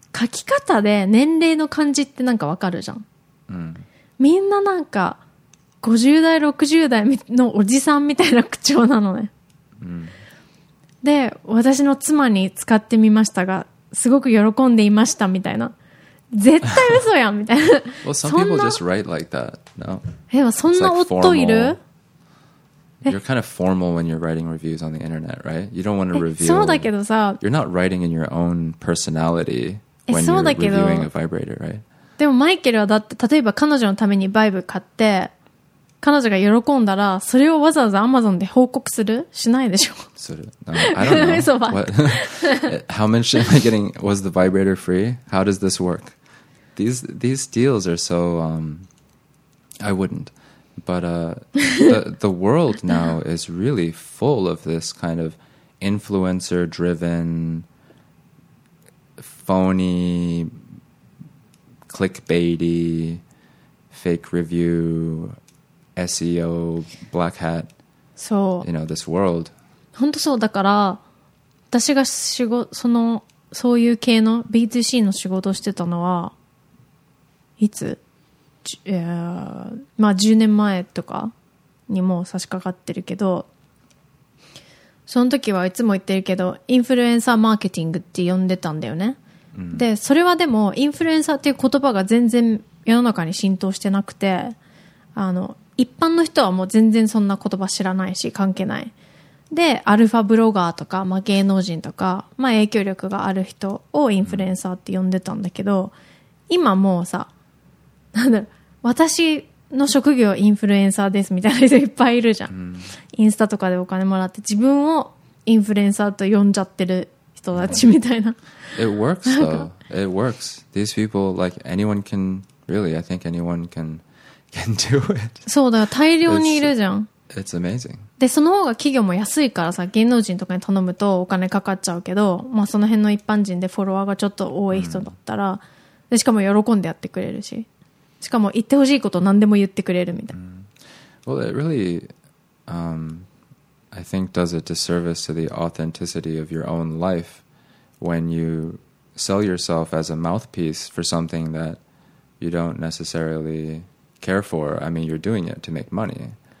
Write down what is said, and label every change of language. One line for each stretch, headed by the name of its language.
Japanese: 書き方で年齢の感じってなんか分かるじゃん、みんななんか50代60代のおじさんみたいな口調なのね、で私の妻に使ってみましたがすごく喜んでいましたみたいな絶対嘘やんみたいな。
English: Well, some people just write like that, no?
Japanese: でもそんな夫いる？
English: You're kind of formal when you're writing reviews on the internet, right? You don't want to review.
Japanese: そうだけどさ、
English: You're not writing in your own personality when you're reviewing a vibrator, right?
Japanese: でもマイケルはだって例えば彼女のためにバイブ買って彼女が喜んだらそれをわざわざアマゾンで報告する？しないでしょ？する。
English: No, I don't know. What? How much am I getting? Was the vibrator free? How does this work? These deals are so I wouldn't. But the world now is really full of this kind of influencer driven phony clickbaity fake review SEO black hat. So, you know, this world.
Japanese: 本当そう。だから、私が仕事、その、そういう系の B2C の仕事をしてたのは、いつ？まあ、10年前とかにも差し掛かってるけど、その時はいつも言ってるけど、インフルエンサーマーケティングって呼んでたんだよね。で、それはでも、インフルエンサーっていう言葉が全然世の中に浸透してなくて、一般の人はもう全然そんな言葉知らないし関係ない。で、アルファブロガーとか、まあ芸能人とか、まあ影響力がある人をインフルエンサーって呼んでたんだけど、今もうさ、なんだろう、私の職業インフルエンサーですみたいな人いっぱいいるじゃん。インスタとかでお金もらって自分をインフルエンサーと呼んじゃってる人たちみたいな。
English: It works though. It works. These people, like anyone can, really, I think anyone can,Can do it.
Japanese: そうだ、大量にいるじゃん。
English: It's amazing.
Japanese: で、その方が企業も安いからさ、芸能人とかに頼むとお金かかっちゃうけど、まあその辺の一般人でフォロワーがちょっと多い人だったら、でしかも喜んでやってくれるし、しかも言ってほしいことを何でも言ってくれるみたいな。
English: Well, it really, I think does a disservice to the authenticity of your own life when you sell yourself as a mouthpiece for something that you don't necessarily... care for. I mean, you're doing it to make money.